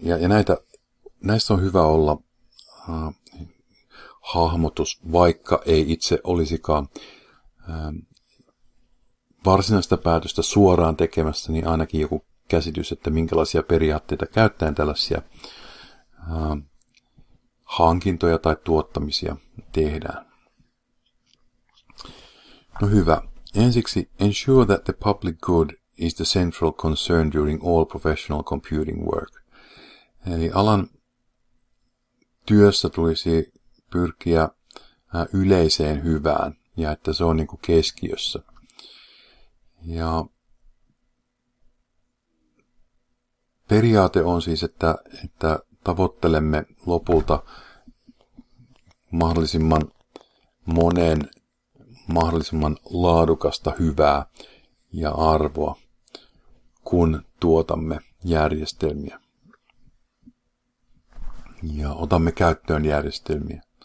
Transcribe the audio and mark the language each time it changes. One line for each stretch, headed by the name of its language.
Finnish: Ja näistä on hyvä olla hahmotus, vaikka ei itse olisikaan varsinaista päätöstä suoraan tekemässä, niin ainakin joku käsitys, että minkälaisia periaatteita käyttäen tällaisia hankintoja tai tuottamisia tehdään. No hyvä.
English: Ensiksi, ensure that the public good is the central concern during all professional computing work.
Finnish: Eli alan työssä tulisi pyrkiä yleiseen hyvään ja että se on niin kuin keskiössä. Ja periaate on siis, että tavoittelemme lopulta mahdollisimman monen mahdollisimman laadukasta hyvää ja arvoa, kun tuotamme järjestelmiä ja otamme käyttöön järjestelmiä.